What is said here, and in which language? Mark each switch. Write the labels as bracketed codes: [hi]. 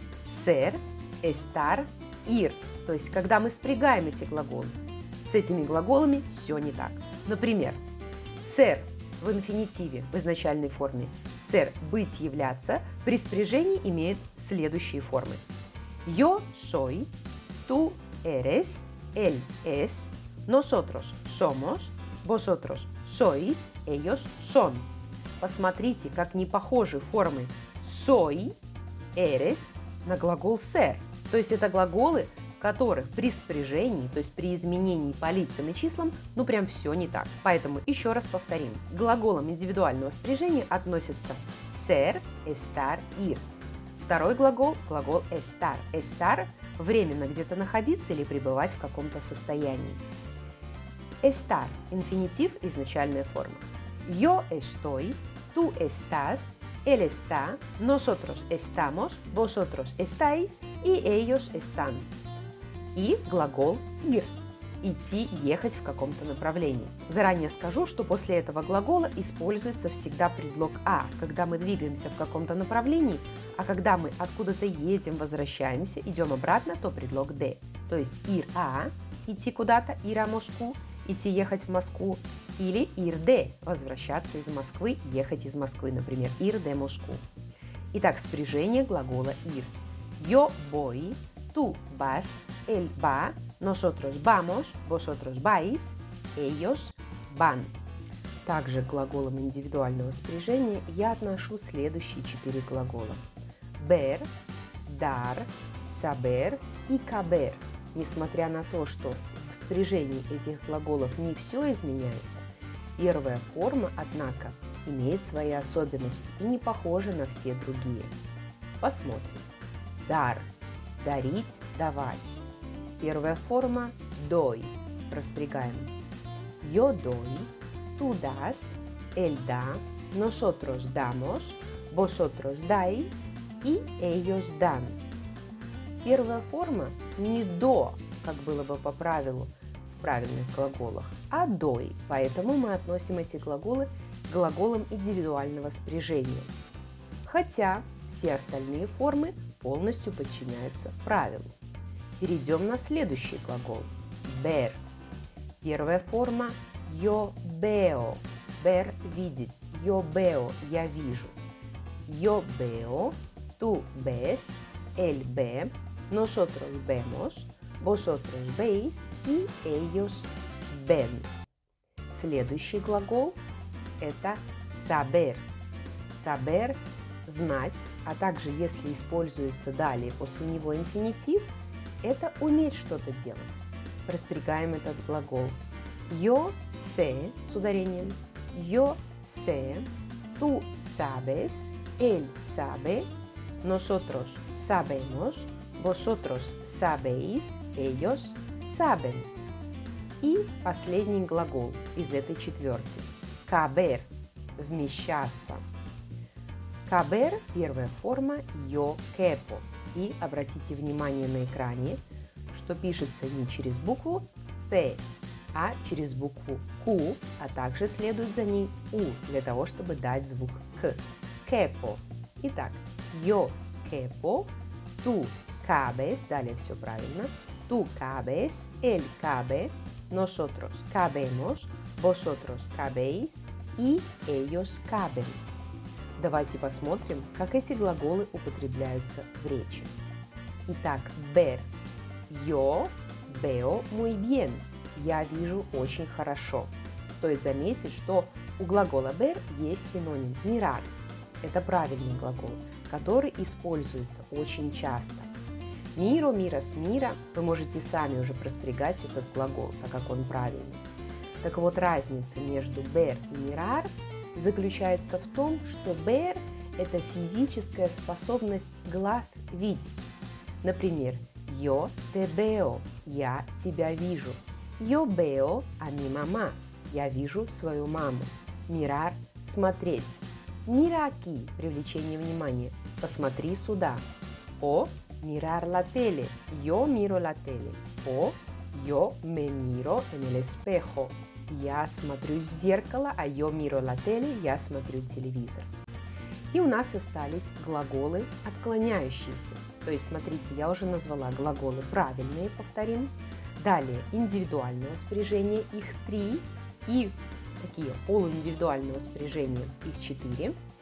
[es] Ser, estar, ir. [ru] То есть, когда мы спрягаем эти глаголы. С этими глаголами все не так. Например, ser в инфинитиве, в изначальной форме. Ser – быть, являться. При спряжении имеет следующие формы. [es] Yo soy, tú eres, él es, nosotros somos, vosotros sois, ellos son. [ru] Посмотрите, как не похожи формы soy, eres на глагол ser. То есть это глаголы, в которых при спряжении, то есть при изменении по лицам и числам, ну прям все не так. Поэтому еще раз повторим. К глаголам индивидуального спряжения относятся ser, estar, ir. Второй глагол – глагол estar. Estar – временно где-то находиться или пребывать в каком-то состоянии. Estar – инфинитив, изначальная форма. [es] Yo estoy, tú estás, él está, nosotros estamos, vosotros estáis y ellos están. [ru] И глагол ir – идти, ехать в каком-то направлении. Заранее скажу, что после этого глагола используется всегда предлог «а», когда мы двигаемся в каком-то направлении, а когда мы откуда-то едем, возвращаемся, идем обратно, то предлог «д». То есть ir a – идти куда-то, [es] ir a Moscú [ru] – идти ехать в Москву, или ir d – возвращаться из Москвы, ехать из Москвы, например, ir d Moscú. Итак, спряжение глагола ir. [es] Yo voy, tú vas, él va, nosotros vamos, vosotros vais, ellos van. [ru] Также к глаголам индивидуального спряжения я отношу следующие четыре глагола. [es] Ber, dar, saber и caber. [ru] Несмотря на то, что в спряжении этих глаголов не все изменяется, первая форма, однако, имеет свои особенности и не похожа на все другие. Посмотрим. Dar – дарить, давать. Первая форма – doy – распрягаем. [es] Yo doy, tú das, él da, nosotros damos, vosotros dais – и ellos dan. [ru] Первая форма не до, как было бы по правилу в правильных глаголах, а doy. Поэтому мы относим эти глаголы к глаголам индивидуального спряжения. Хотя все остальные формы полностью подчиняются правилу. Перейдем на следующий глагол. [es] Ver. [ru] Первая форма [es] yo veo. [ru] Ver – видеть. [es] Yo veo [ru] – я вижу. [es] Yo veo. Tú ves, él ve, nosotros vemos, vosotros veis y ellos ven. [ru] Следующий глагол – это saber. Saber – знать, а также, если используется далее после него инфинитив, это уметь что-то делать. Распрягаем этот глагол. [es] Yo sé [ru] – с ударением. [es] Yo sé, tú sabes, él sabe. Nosotros sabemos, vosotros sabéis, ellos saben. [ru] И последний глагол из этой четверки. Caber – вмещаться. [es] Caber – [ru] первая форма [es] yo quepo. [ru] И обратите внимание на экране, что пишется не через букву T, а через букву Q, а также следует за ней U, для того, чтобы дать звук К. [es] Quepo. Итак, yo quepo, tú cabes, [ru] далее все правильно, [es] tú cabes, él cabe, nosotros cabemos, vosotros cabéis y ellos caben. [ru] Давайте посмотрим, как эти глаголы употребляются в речи. Итак, ver, [es] yo veo muy bien, [ru] я вижу очень хорошо. Стоит заметить, что у глагола ver есть синоним mirar, это правильный глагол, который используется очень часто. [es] Miro, miras, mira. [ru] Вы можете сами уже проспрягать этот глагол, так как он правильный. Так вот, разница между ver и mirar заключается в том, что ver – это физическая способность глаз видеть. Например, [es] yo te veo [ru] – я тебя вижу. [es] Yo veo a mi mamá [ru] – я вижу свою маму. Mirar – смотреть. Miraki – привлечение внимания. Посмотри сюда. [es] O mirar la tele. Yo miro la tele. O Yo me miro en el espejo. [ru] Я смотрюсь в зеркало, а [es] yo miro la tele, [ru] я смотрю телевизор. И у нас остались глаголы отклоняющиеся. То есть, смотрите, я уже назвала глаголы правильные, повторим. Далее, индивидуальное спряжение, их три. И такие полуиндивидуальные спряжения, их четыре.